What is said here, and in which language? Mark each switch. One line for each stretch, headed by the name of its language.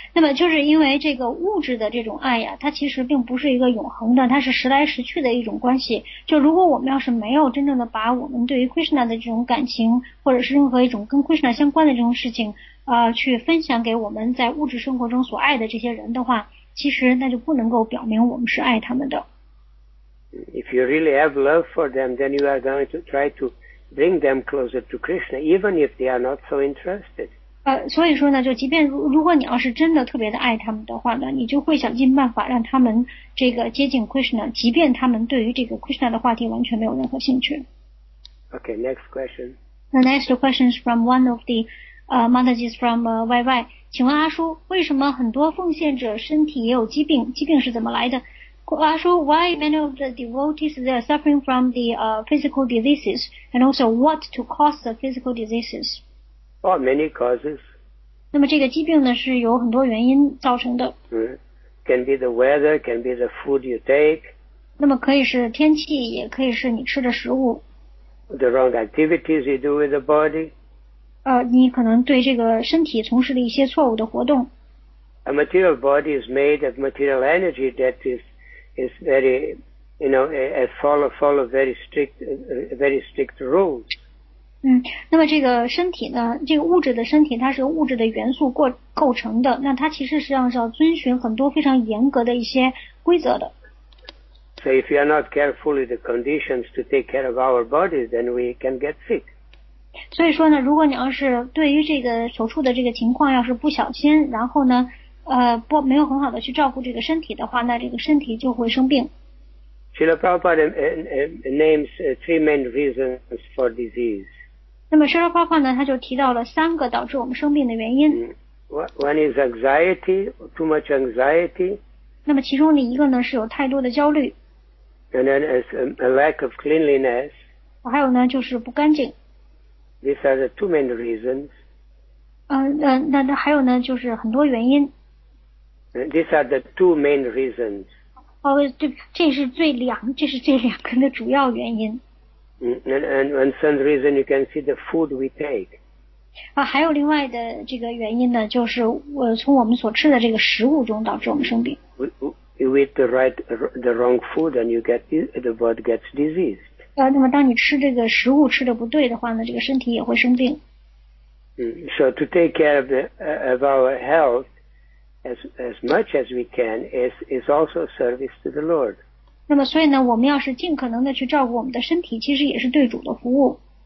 Chinese: 那么就是因为这个物质的这种爱呀，它其实并不是一个永恒的，它是时来时去的一种关系。就如果我们要是没有真正的把我们对于 Krishna 的这种感情，或者是任何一种跟 Krishna 相关的这种事情，去分享给我们在物质生活中所爱的这些人的话，其实那就不能够表明我们是爱他们的。
English: If you really have love for them, then you are going to try to bring them closer to Krishna, even if they are not so interested.
Chinese: 所以说呢，就即便如果你要是真的特别的爱他们的话呢，你就会想尽办法让他们这个接近 Krishna， 即便他们对于这个 Krishna 的话题完全没有任何兴趣。
English: Okay, next question. The next question is from one of the Mataji's from YY.
Chinese: 请问阿叔，为什么很多奉献者身体也有疾病？疾病是怎么来的？
English: 阿叔 ，Why many of the devotees they are suffering from the physical diseases, and also what to cause the physical diseases? Or many causes.
Chinese: 那么这个疾病呢是有很多原因造成的。
English: Can be the weather, can be the food you take.
Chinese: 那么可以是天气，也可以是你吃的食物。
English: The wrong activities you do with the body.
Chinese: 你可能对这个身体从事了一些错误的活动。
English: A material body is made of material energy that is very, you know, follow very strict rules.
Chinese: 那么这个身体呢，这个物质的身体它是由物质的元素构成的，那它其实实际上是要遵循很多非常严格的一些规则的。
English: So if you are not careful with the conditions to take care of our bodies, then we can get sick.
Chinese: 所以说呢，如果你要是对于这个所处的这个情况要是不小心，然后呢，没有很好的去照顾这个身体的话，那这个身体就会生病。
English: Srila Prabhupada names three main reasons for disease.
Chinese: 那么Srila Prabhupada呢，他就提到了三个导致我们生病的原因。
English: One is anxiety, too much anxiety.
Chinese: 那么其中的一个呢，是有太多的焦虑。
English: And then is a lack of cleanliness.
Chinese: 还有呢，就是不干净。
English: These are the two main reasons.
Chinese: 那还有呢，就是很多原因。
English: These are the two main reasons.
Chinese: 这是这两个的主要原因。
English: And some reason you can see the food we take.
Chinese: 还有另外的这个原因呢，就是我从我们所吃的这个食物中导致我们生病。
English: You eat the wrong food and the body gets diseased.
Chinese: 那么当你吃这个食物吃的不对的话呢，这个身体也会生病。
English: So to take care of our health, as much as we can is also service to the Lord.
Chinese: 那么所以呢，我们要是尽可能的去照顾我们的身体，其实也是对主的服务。